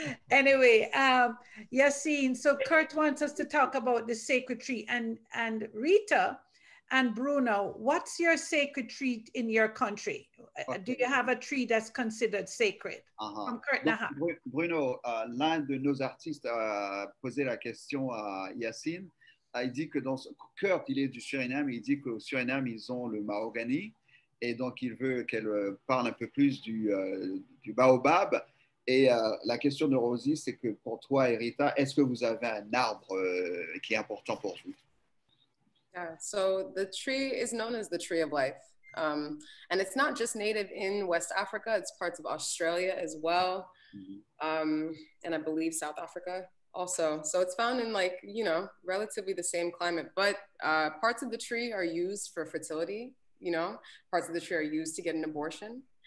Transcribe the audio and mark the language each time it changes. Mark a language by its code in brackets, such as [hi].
[en] Anyway, Yacine, so Kurt wants us to talk about the sacred tree. And Riitta and Bruno, what's your sacred tree in your country? Okay. Do you have a tree that's considered sacred? Uh-huh. From Kurt Nahar. [fr] Bruno, l'un de nos artistes a posé la question à Yacine. Il dit que dans Kurt, il est du Suriname, il dit qu'au Suriname, ils ont le mahogany. Et donc, il veut qu'elle parle un peu plus du baobab. Et la question de Rosie, c'est que pour toi et Riitta, est-ce que vous avez un arbre qui est important pour vous? [en] Yeah, so the tree is known as the tree of life. And it's not just native in West Africa, it's parts of Australia as well. Mm-hmm. And I believe South Africa also. So it's found in like, you know, relatively the same climate, but parts of the tree are used for fertility, you know, parts of the tree are used to get an abortion.